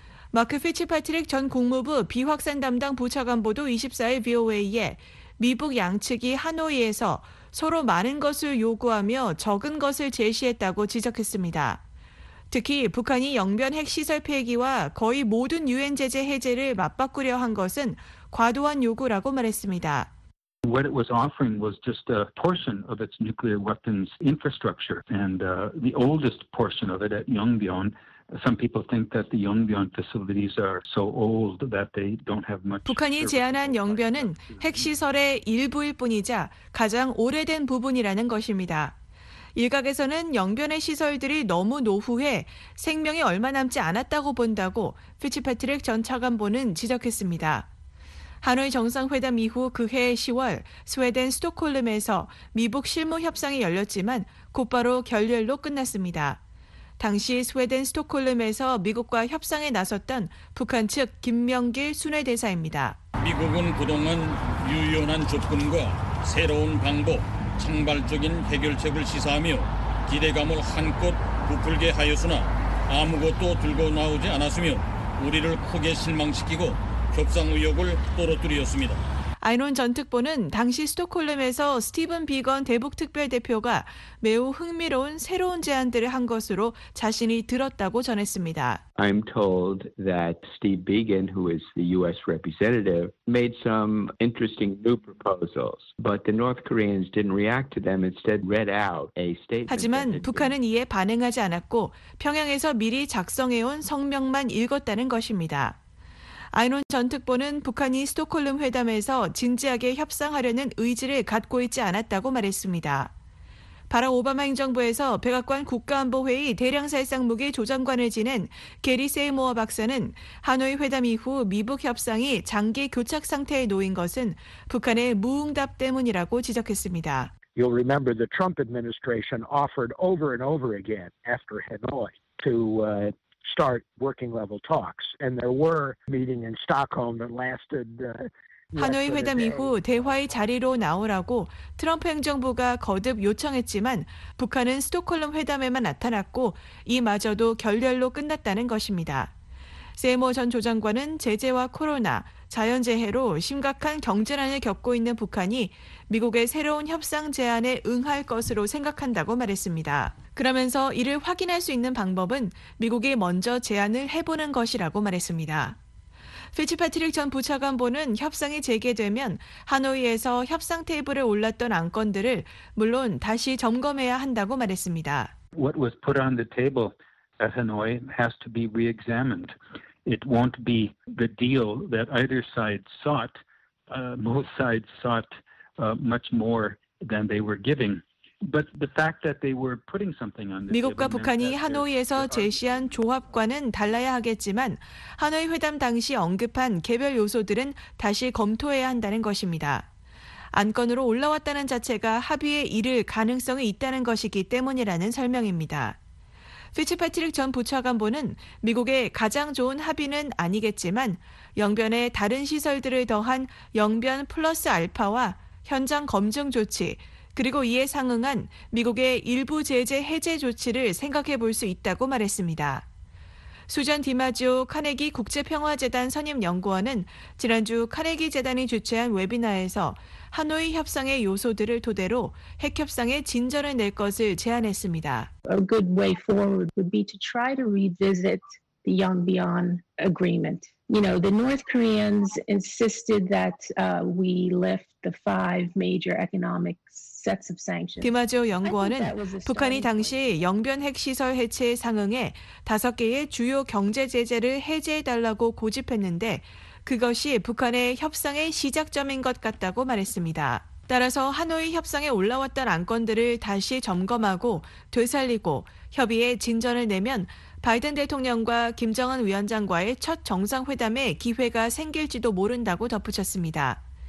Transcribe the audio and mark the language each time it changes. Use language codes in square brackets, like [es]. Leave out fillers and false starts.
[ko] 마크 피츠패트릭 전 국무부 비확산 담당 부차관보도 24일 VOA에 미북 양측이 하노이에서 서로 많은 것을 요구하며 적은 것을 제시했다고 지적했습니다. 특히 북한이 영변 핵시설 폐기와 거의 모든 유엔 제재 해제를 맞바꾸려 한 것은 과도한 요구라고 말했습니다. [en] What it was offering was just a portion of its nuclear weapons infrastructure and the oldest portion of it at Yongbyon. Some people think that the Yongbyon facilities are so old that they don't have much. [ko] 북한이 제안한 영변은 핵시설의 일부일 뿐이자 가장 오래된 부분이라는 것입니다. 일각에서는 영변의 시설들이 너무 노후해 생명이 얼마 남지 않았다고 본다고 피츠패트릭 전 차관보는 지적했습니다. 하노이 정상회담 이후 그해 10월 스웨덴 스톡홀름에서 미북 실무협상이 열렸지만 곧바로 결렬로 끝났습니다. 당시 스웨덴 스톡홀름에서 미국과 협상에 나섰던 북한 측 김명길 순회대사입니다. 미국은 그동안 유연한 접근과 새로운 방법, 창발적인 해결책을 시사하며 기대감을 한껏 부풀게 하였으나 아무것도 들고 나오지 않았으며 우리를 크게 실망시키고 협상 의욕을 떨어뜨렸습니다. 아이론 전 특보는 당시 스톡홀름에서 스티븐 비건 대북특별대표가 매우 흥미로운 새로운 제안들을 한 것으로 자신이 들었다고 전했습니다. [en] I'm told that Steve Biegun, who is the U.S. representative, made some interesting new proposals, but the North Koreans didn't react to them. Instead, read out a statement. [ko] 하지만 북한은 이에 반응하지 않았고 평양에서 미리 작성해온 성명만 읽었다는 것입니다. 아이론 전 특보는 북한이 스톡홀름 회담에서 진지하게 협상하려는 의지를 갖고 있지 않았다고 말했습니다. 바락 오바마 행정부에서 백악관 국가안보회의 대량살상무기 조정관을 지낸 게리 세이모어 박사는 하노이 회담 이후 미북 협상이 장기 교착 상태에 놓인 것은 북한의 무응답 때문이라고 지적했습니다. [en] You'll remember the Trump administration offered over and over again after Hanoi to start working level talks and there were meeting in Stockholm that lasted [ko] 하노이 회담 이후 대화의 자리로 나오라고 트럼프 행정부가 거듭 요청했지만 북한은 스톡홀름 회담에만 나타났고 이마저도 결렬로 끝났다는 것입니다. 세모 전 조장관은 제재와 코로나, 자연재해로 심각한 경제난을 겪고 있는 북한이 미국의 새로운 협상 제안에 응할 것으로 생각한다고 말했습니다. 그러면서 이를 확인할 수 있는 방법은 미국이 먼저 제안을 해보는 것이라고 말했습니다. 피츠패트릭 전 부차관보는 협상이 재개되면 하노이에서 협상 테이블에 올랐던 안건들을 물론 다시 점검해야 한다고 말했습니다. [en] What was put on the table at Hanoi has to be re-examined. It won't be the deal that either side sought. Both sides sought much more than they were giving. But the fact that they were putting something on the table. [ko] 미국과 북한이 하노이에서 제시한 조합과는 달라야 하겠지만 하노이 회담 당시 언급한 개별 요소들은 다시 검토해야 한다는 것입니다. 안건으로 올라왔다는 자체가 합의에 이를 가능성이 있다는 것이기 때문이라는 설명입니다. 피츠패트릭 전 부차관보는 미국의 가장 좋은 합의는 아니겠지만 영변에 다른 시설들을 더한 영변 플러스 알파와 현장 검증 조치 그리고 이에 상응한 미국의 일부 제재 해제 조치를 생각해 볼 수 있다고 말했습니다. 수잔 디마지오 카네기 국제평화재단 선임연구원은 지난주 카네기 재단이 주최한 웨비나에서 하노이 협상의 요소들을 토대로 핵 협상의 진전을 낼 것을 제안했습니다. [en] A good way forward would be to try to revisit the Yongbyon agreement. You know, the North Koreans insisted that we lift the five major economic sets of sanctions. [ko] 디마지오 연구원은 북한이 당시 영변 핵시설 해체에 상응해 다섯 개의 주요 경제 제재를 해제해달라고 고집했는데 그것이 북한의 협상의 시작점인 것 같다고 말했습니다. 따라서 하노이 협상에 올라왔던 안건들을 다시 점검하고 되살리고 협의에 진전을 내면 바이든 대통령과 김정은 위원장과의 첫 정상회담에 기회가 생길지도 모른다고 덧붙였습니다.